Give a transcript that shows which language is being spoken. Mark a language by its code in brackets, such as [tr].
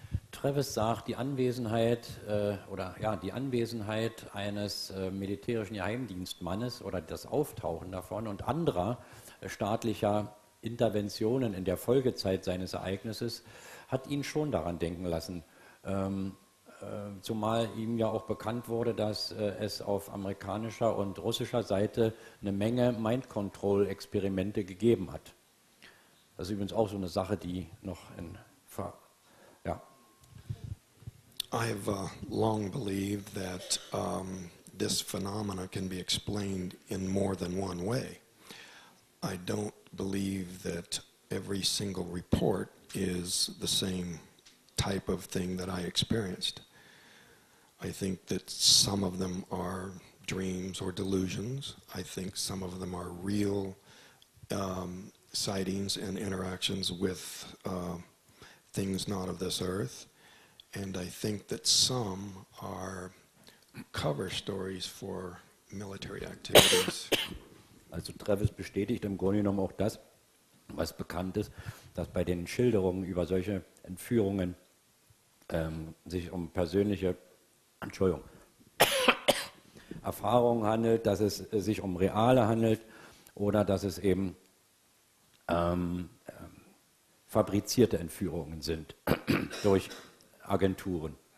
[de] Travis sagt, die Anwesenheit die Anwesenheit eines militärischen Geheimdienstmannes oder das Auftauchen davon und anderer staatlicher Interventionen in der Folgezeit seines Ereignisses hat ihn schon daran denken lassen. Zumal ihm ja auch bekannt wurde, dass es auf amerikanischer und russischer Seite eine Menge Mind-Control-Experimente gegeben hat. Das ist übrigens auch so eine Sache, die noch in Ver- ja. [en] I've long believed that this phenomena can be explained in more than one way. I don't believe that every single report is the same type of thing that I experienced. I think that some of them are dreams or delusions. I think some of them are real sightings and interactions with things not of this earth. And I think that some are cover stories for military activities. [de] Also Travis bestätigt im Grunde genommen auch das, was bekannt ist, dass bei den Schilderungen über solche Entführungen sich um persönliche Entschuldigung, Erfahrungen handelt, dass es sich um reale handelt oder dass es eben fabrizierte Entführungen sind durch Agenturen.